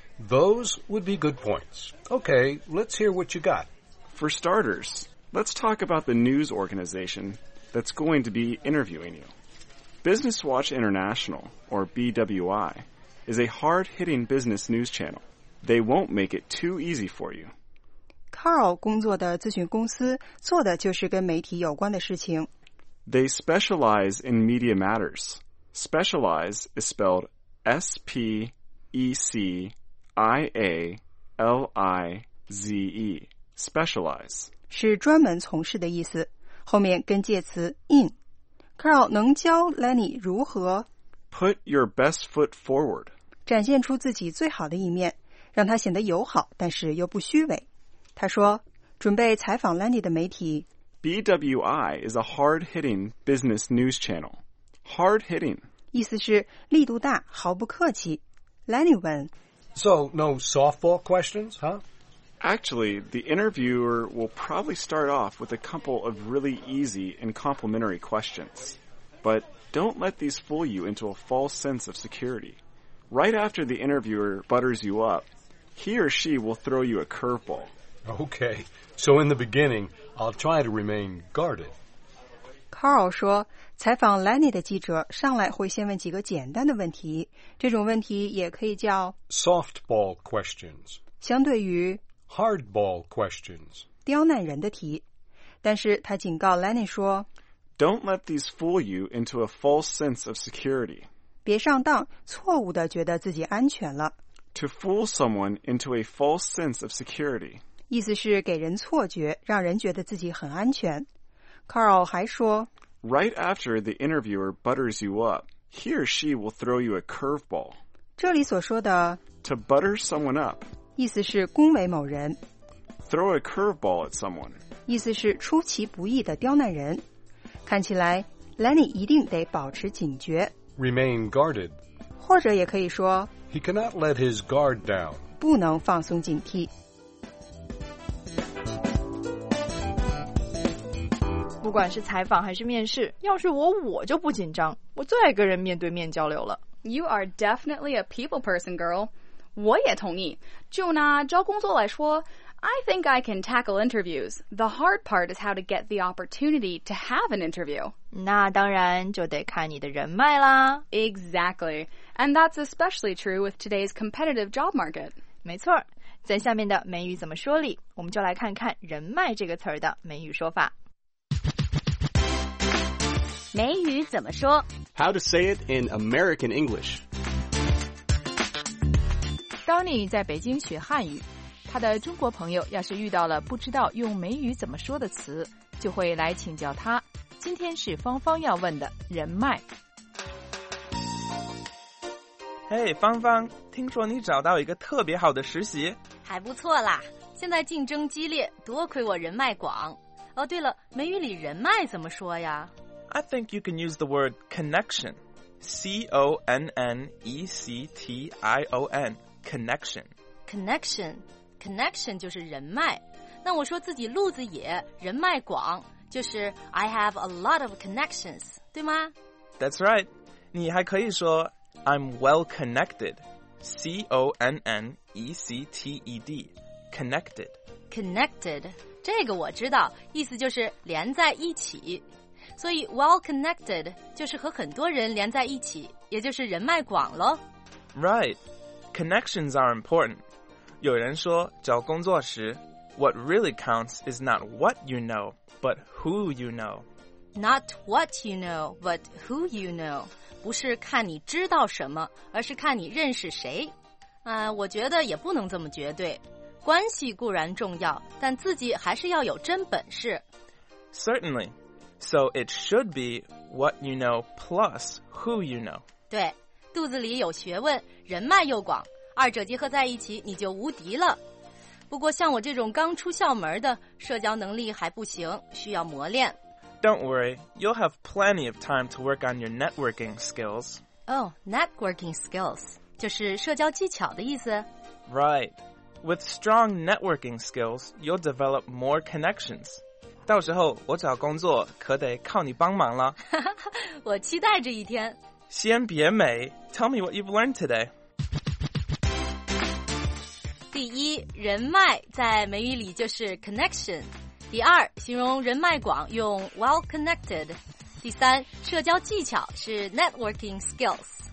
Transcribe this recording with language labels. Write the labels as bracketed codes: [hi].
[en] Those would be good points. Okay, let's hear what you got. For starters, let's talk about the news organization that's going to be interviewing you. Business Watch International, or BWI, is a hard-hitting business news channel. They won't make it too easy for you. [zh] Carl 工作的咨询公司做的就是跟媒体有关的事情。 [en] They specialize in media matters. Specialize is spelled S-P-E-C-I-A-L-I-Z-E. Specialize. [zh] 是专门从事的意思，后面跟介词 in。 Carl 能教 Lenny 如何 [en] Put your best foot forward. [zh] 展现出自己最好的一面，让他显得友好，但是又不虚伪。他说准备采访 Lenny 的媒体 [en] BWI is a hard-hitting business news channel. Hard-hitting. [zh] 意思是力度大，毫不客气。 Lenny 问 [en] So, no softball questions, huh? Actually, the interviewer will probably start off with a couple of really easy and complimentary questions. But don't let these fool you into a false sense of security. Right after the interviewer butters you up, he or she will throw you a curveball. Okay, so in the beginning, I'll try to remain guarded. [zh] Carl 说，采访 Lenny 的记者上来会先问几个简单的问题，这种问题也可以叫 [en] softball questions， [zh] 相对于 [en] hardball questions， [zh] 刁难人的题。但是他警告 Lenny 说 [en] ，Don't let these fool you into a false sense of security。 [zh] 别上当，错误地觉得自己安全了。 [en] To fool someone into a false sense of security， [zh] 意思是给人错觉，让人觉得自己很安全。 Carl 还说 [en] ，Right after the interviewer butters you up, he or she will throw you a curveball。 [zh] 这里所说的 [en] to butter someone up， [zh] 意思是恭维某人。 [en] Throw a curveball at someone， [zh] 意思是出其不意的刁难人。看起来 ，Lenny 一定得保持警觉。 [en] Remain guarded， [zh] 或者也可以说 [en] ，He cannot let his guard down， [zh] 不能放松警惕。不管是采访还是面试，要是我就不紧张，我最爱跟人面对面交流了。 [en] You are definitely a people person, girl. [zh] 我也同意。就拿招工作来说 [en] ，I think I can tackle interviews. The hard part is how to get the opportunity to have an interview. [zh] 那当然就得看你的人脉啦。 [en] Exactly, and that's especially true with today's competitive job market. [zh] 没错，在下面的美语怎么说里，我们就来看看人脉这个词儿的美语说法。美语怎么说？ [en] How to say it in American English. [zh] Donnie 在北京学汉语，他的中国朋友要是遇到了不知道用美语怎么说的词，就会来请教他。今天是芳芳要问的人脉。 Hey, 芳芳，听说你找到一个特别好的实习。还不错啦，现在竞争激烈，多亏我人脉广。哦，对了，美语里人脉怎么说呀？ [en] I think you can use the word connection. C-O-N-N-E-C-T-I-O-N. Connection. [zh] Connection. Connection 就是人脉。那我说自己路子野，人脉广，就是 [en] I have a lot of connections, [zh] 对吗？ [en] That's right. [zh] 你还可以说 [en] I'm well connected. C-O-N-N-E-C-T-E-D. Connected. Connected. [zh] 这个我知道，意思就是连在一起。所以 well connected 就是和很多人连在一起，也就是人脉广咯。 [en] Right, connections are important. [zh] 有人说找工作时 [en] what really counts is not what you know, but who you know. Not what you know, but who you know. [zh] 不是看你知道什么，而是看你认识谁。我觉得也不能这么绝对。关系固然重要，但自己还是要有真本事。 [en] Certainly. So it should be what you know plus who you know. [zh] 对，肚子里有学问，人脉又广，二者结合在一起，你就无敌了。不过像我这种刚出校门的，社交能力还不行，需要磨练。 [en] Don't worry, you'll have plenty of time to work on your networking skills. [zh] Oh, networking skills, 就是社交技巧的意思。 [en] Right. With strong networking skills, you'll develop more connections. [zh] 到时候我找工作可得靠你帮忙了。我期待这一天。先别美 [en] ,Tell me what you've learned today. [zh] 第一，人脉在美语里就是 connection。第二，形容人脉广用 well connected。第三，社交技巧是 networking skills。